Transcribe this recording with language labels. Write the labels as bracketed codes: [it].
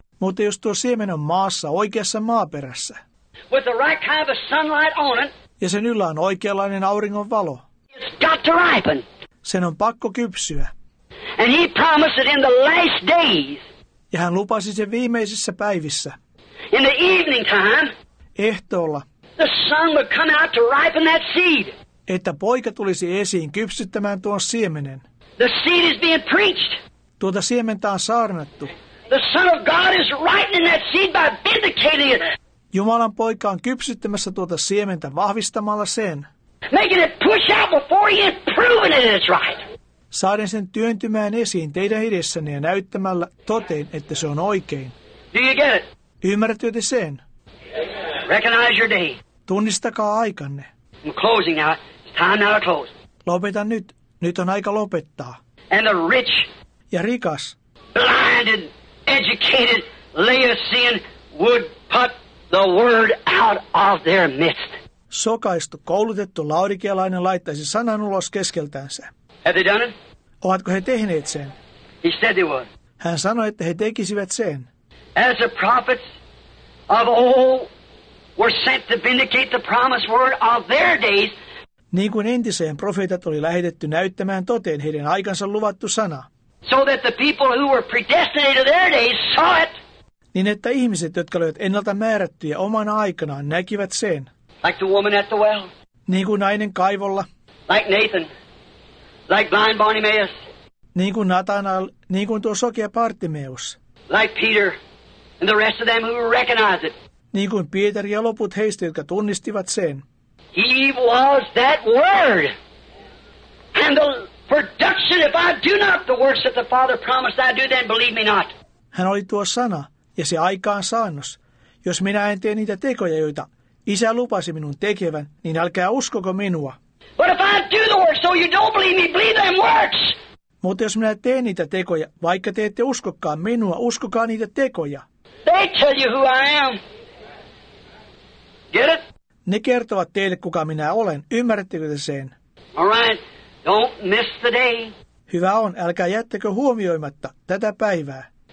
[fi] Mutta jos tuo siemen on maassa, oikeassa maaperässä. [en] With the right kind of sunlight on it. [fi] Ja sen yllä on oikeanlainen auringon valo. [en] It's got to ripen. [fi] Sen on pakko kypsyä. [en] And he promised it in the last days. [fi] Ja hän lupasi sen viimeisissä päivissä. [en] In the evening time. [fi] Ehtoolla. [en] The sun would come out to ripen that seed. [fi] Että poika tulisi esiin kypsyttämään tuon siemenen. [en] The seed is being preached. [fi] Tuota siementä on saarnattu. [en] The son of God is ripening that seed by vindicating it. [fi] Jumalan poika on kypsyttämässä tuota siementä vahvistamalla sen. [en] Making it push out before he has proven it is right. [fi] Saaden sen työntymään esiin teidän edessänne ja näyttämällä toteen, että se on oikein. [en] Do you get it? [fi] Ymmärrätkö te sen? [en] Recognize your day. [fi] Tunnistakaa aikanne. [en] I'm closing now. Time now to close. [fi] Lopetan nyt. Nyt on aika lopettaa. [en] And the rich. [fi] Ja rikas. [en] Blinded, educated, Laodicean would put the word out of their midst. [fi] Sokaistu, koulutettu laodikealainen laittaisi sanan ulos keskeltänsä. [en] Have they done it? [fi] Ovatko he tehneet sen? [en] He said they would. [fi] Hän sanoi, että he tekisivät sen. [en] As the prophets of old were sent to vindicate the promised word of their days. [fi] Niin kuin entiseen profeetat oli lähetetty näyttämään toteen heidän aikansa luvattu sana. [en] So that the people who were predestinated their days saw it. [fi] Niin että ihmiset, jotka olivat ennalta määrättyjä omana aikanaan, näkivät sen. [en] Like the woman at the well. [fi] Niin kuin nainen kaivolla. [en] Like Nathan. Like blind Bartimaeus. [fi] Niin kuin Nathanael, niin kuin tuo sokea Bartimeus. [en] Like Peter and the rest of them who recognized it. [fi] Niin kuin Peter ja loput heistä, jotka tunnistivat sen. [en] He was that word. And the production, if I do not the works that the Father promised I do, then believe me not. [fi] Hän oli tuo sana ja se aikaansaannos. Jos minä en tee niitä tekoja, joita Isä lupasi minun tekevän, niin älkää uskoko minua. [en] But if I do the works, so you don't believe me, believe them works. [fi] Mutta jos minä teen niitä tekoja, vaikka te ette uskokaan minua, uskokaa niitä tekoja. [en] They tell you who I am. Get it? [fi] Ne kertovat teille, kuka minä olen. Ymmärrättekö te sen? [en] All right. Don't miss the day. [fi] Hyvä on, älkää jättäkö huomioimatta tätä päivää.